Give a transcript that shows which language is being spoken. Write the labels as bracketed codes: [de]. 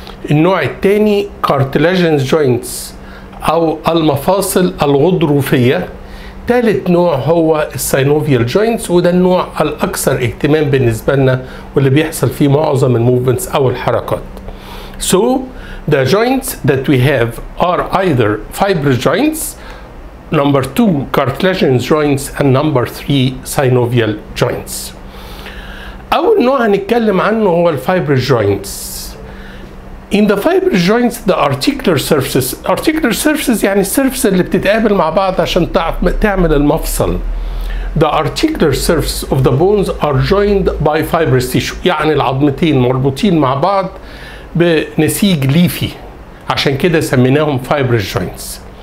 [ar] النوع الثاني [en] cartilaginous joints [ar] أو المفاصل الغضروفية. ثالث نوع هو [en] synovial joints، [ar] وده النوع الأكثر اهتمام بالنسبة لنا واللي بيحصل فيه معظم movements أو الحركات. [en] So the joints that we have are either fibrous joints، number 2 cartilaginous joints، and number 3 synovial joints. [ar] أول نوع هنتكلم عنه هو [en] fibrous joints. In the fibrous joints the articular surfaces، articular surfaces يعني surfaces [ar] اللي بتتقابل مع بعض عشان تعمل المفصل. [en] The articular surfaces of the bones are joined by fibrous tissue، [ar] يعني العظمتين مربوطين مع بعض بنسيج ليفي، عشان كده سميناهم [en] fibrous joints.